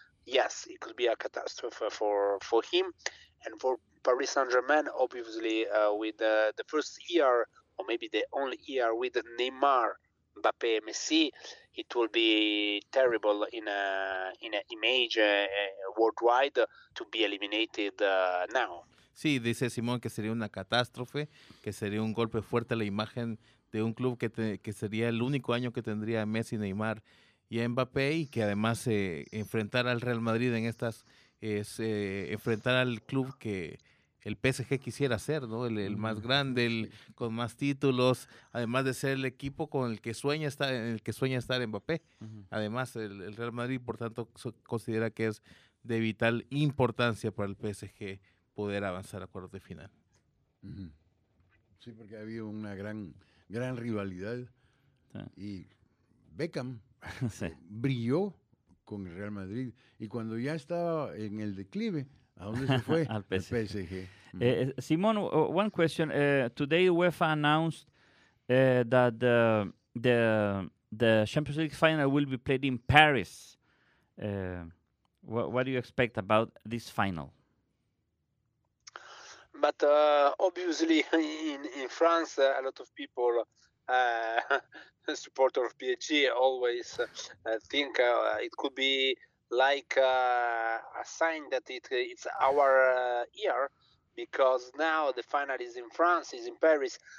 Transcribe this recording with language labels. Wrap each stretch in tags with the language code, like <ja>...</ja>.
<en>Yes, it could be a catastrophe for him. And for Paris Saint-Germain, obviously, with the first year, or maybe the only year, with Neymar, Mbappé, Messi, it will be terrible in a image worldwide to be eliminated now.</en> <es>Sí, dice Simón que sería una catástrofe, que sería un golpe fuerte a la imagen de un club que sería el único año que tendría Messi, Neymar y Mbappé, y que además enfrentar al Real Madrid en estas es enfrentar al club que el PSG quisiera ser, ¿no? El más grande, el con más títulos, además de ser el equipo con el que sueña estar, en el que sueña estar Mbappé. Uh-huh. Además, el Real Madrid, por tanto, considera que es de vital importancia para el PSG poder avanzar a cuartos de final. Uh-huh. Sí, porque ha habido una gran rivalidad. Y Beckham sí. Brilló con el Real Madrid. Y cuando ya estaba en el declive, ¿a dónde se fue? Al PSG. El PSG. Simón,</es> <en>one question. Today UEFA announced that the Champions League final will be played in Paris. What do you expect about this final? But obviously, in France, a lot of people, supporter of PSG, always think it could be like a sign that it's our year, because now the final is in France, is in Paris.</en>